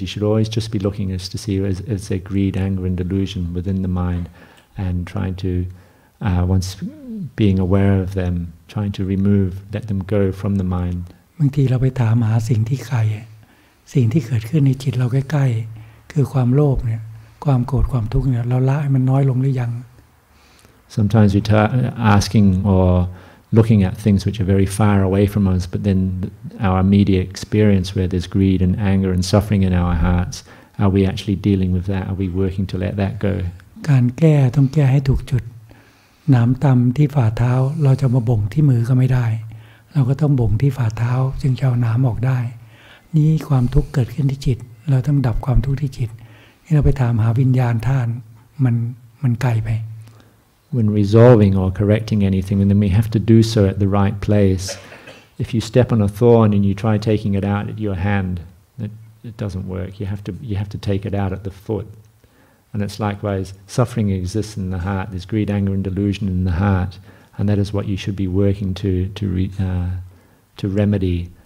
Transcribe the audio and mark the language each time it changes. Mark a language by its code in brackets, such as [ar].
[en] You should always just be looking as to see is there greed, anger, and delusion within the mind, and trying to once being aware of them, trying to remove, let them go from the mind. [th] บางทีเราไปถามหาสิ่งที่ใครสิ่งที่เกิดขึ้นในจิตเราใกล้ๆคือความโลภเนี่ยความโกรธความทุกข์เนี่ยเราละให้มันน้อยลงหรือยัง [en] Sometimes we're asking or looking at things which are very far away from us but then our immediate experience where there's greed and anger and suffering in our hearts are we actually dealing with that are we working to let that go [th] การแก้ต้องแก้ให้ถูกจุดหนามตำที่ฝ่าเท้าเราจะมาบ่งที่มือก็ไม่ได้เราก็ต้องบ่งที่ฝ่าเท้าจึงจะเอาน้ำออกได้นี่ความทุกข์เกิดขึ้นที่จิตเราต้องดับความทุกข์ที่จิตที่เราไปถามหาวิญญาณธาตุมันไกลไป [en] When resolving or correcting anything then we have to do so at the right place if you step on a thorn and you try taking it out at your hand it doesn't work you have to take it out at the foot and it's likewise suffering exists in the heart there's greed anger and delusion in the heartAnd that is what you should be working to remedy.